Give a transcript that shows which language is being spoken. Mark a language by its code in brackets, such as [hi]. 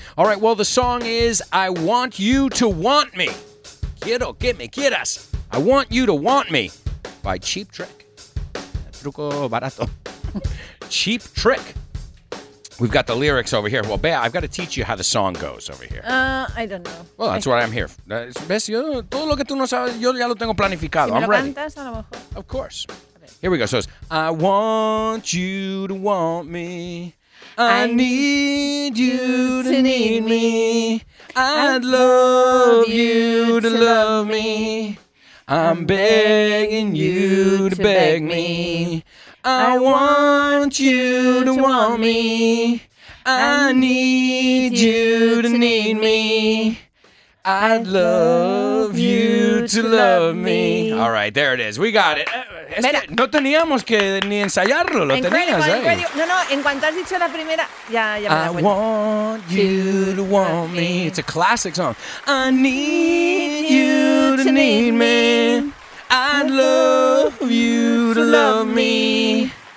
[en] All right, well, the song is I Want You to Want Me. [es] Quiero que me quieras. [en] I Want You to Want Me by Cheap Trick. [es] Truco barato. [en] Cheap Trick. We've got the lyrics over here. Well, Bea, I've got to teach you how the song goes over here. I don't know. Well, that's what I'm here for. ¿Ves? [es] Yo, todo lo que tú no sabes, yo ya lo tengo planificado. Si me [en] I'm [es] lo [en] ready. [es] Cantas, a lo mejor. [en] Of course. Here we go. So it's, I want you to want me. I need you to need me. I'd love you to love me. I'm begging you to beg me. I want you to want me. I need you to need me. I'd love you to love me. All right, there it is. We got it. [es] No teníamos que ni ensayarlo. Lo tenías ahí. No, no. En cuanto has dicho la primera, ya me [en] I want you to want me. It's a classic song. I need you to need me. I'd love you to love me.